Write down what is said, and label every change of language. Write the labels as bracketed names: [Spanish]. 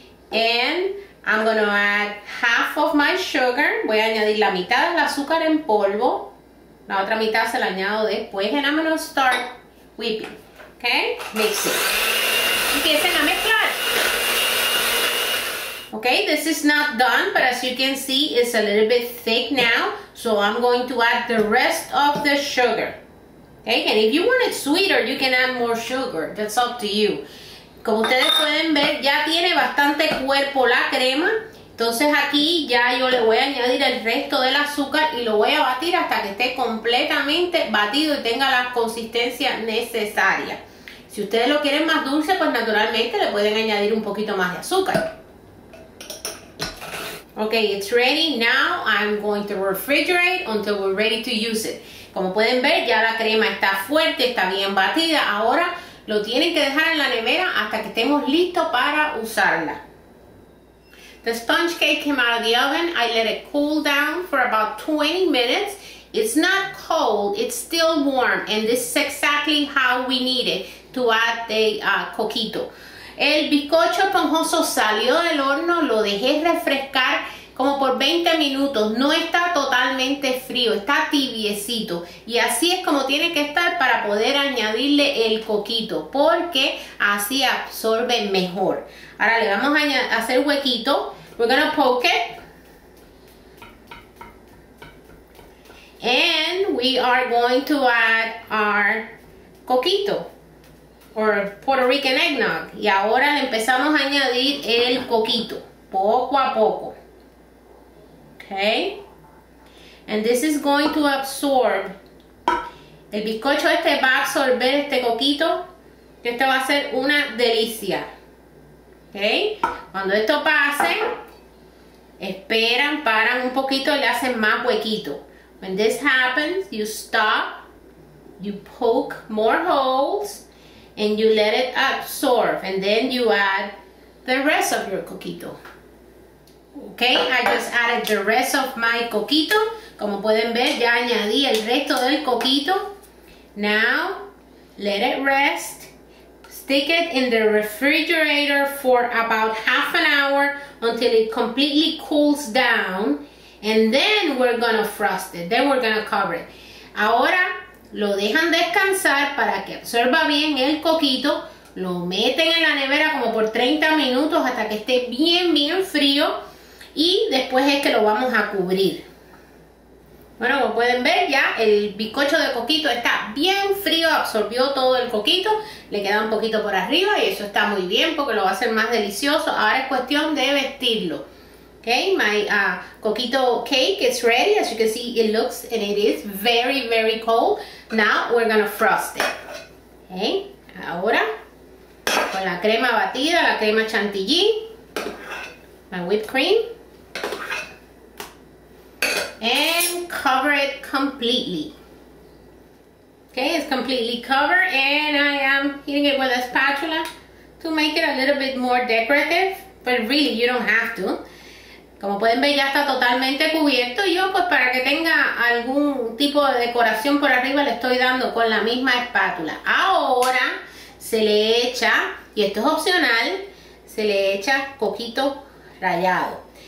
[English] And I'm going to add half of my sugar. [Spanish] Voy a añadir la mitad del azúcar en polvo. La otra mitad se la añado después. [English] And I'm going to start whipping. Okay? Mix it. [Spanish] Empiecen a mezclar. [English] Okay, this is not done, but as you can see, it's a little bit thick now. So I'm going to add the rest of the sugar. Okay, and if you want it sweeter, you can add more sugar. That's up to you. [Spanish] Como ustedes pueden ver, ya tiene bastante cuerpo la crema. Entonces aquí ya yo le voy a añadir el resto del azúcar y lo voy a batir hasta que esté completamente batido y tenga la consistencia necesaria. Si ustedes lo quieren más dulce, pues naturalmente le pueden añadir un poquito más de azúcar. [English] Okay, it's ready. Now I'm going to refrigerate until we're ready to use it. [Spanish] Como pueden ver, ya la crema está fuerte, está bien batida. Ahora lo tienen que dejar en la nevera hasta que estemos listos para usarla. [English] The sponge cake came out of the oven. I let it cool down for about 20 minutes. It's not cold, it's still warm. And this is exactly how we need it to add the coquito. [Spanish] El bizcocho esponjoso salió del horno, lo dejé refrescar como por 20 minutos, no está totalmente frío, está tibiecito. Y así es como tiene que estar para poder añadirle el coquito, porque así absorbe mejor. Ahora le vamos a hacer huequito. [English] We're gonna poke it. And we are going to add our coquito, or Puerto Rican eggnog. [Spanish] Y ahora le empezamos a añadir el coquito, poco a poco. [English] Okay, and this is going to absorb, [Spanish] el bizcocho este va a absorber este coquito que esto va a ser una delicia. ¿Okay? Cuando esto pase, esperan, paran un poquito y le hacen más huequito. [English] When this happens, you stop, you poke more holes, and you let it absorb, and then you add the rest of your coquito. Okay, I just added the rest of my coquito. [Spanish] Como pueden ver, ya añadí el resto del coquito. [English] Now, let it rest. Stick it in the refrigerator for about half an hour until it completely cools down. And then we're gonna frost it. Then we're gonna cover it. [Spanish] Ahora lo dejan descansar para que absorba bien el coquito. Lo meten en la nevera como por 30 minutos hasta que esté bien, bien frío. Y después es que lo vamos a cubrir. Bueno, como pueden ver, ya el bizcocho de coquito está bien frío, absorbió todo el coquito. Le queda un poquito por arriba y eso está muy bien porque lo va a hacer más delicioso. Ahora es cuestión de vestirlo. [English] Ok, my coquito cake is ready. As you can see, it looks and it is very, very cold. Now we're gonna frost it. Ok, [Spanish] ahora con la crema batida, la crema chantilly, [English] my whipped cream. And cover it completely. Okay, it's completely covered and I am hitting it with a spatula to make it a little bit more decorative, but really you don't have to. [Spanish] Como pueden ver, ya está totalmente cubierto. Yo, pues, para que tenga algún tipo de decoración por arriba, le estoy dando con la misma espátula. Ahora se le echa, y esto es opcional, se le echa coquito rallado.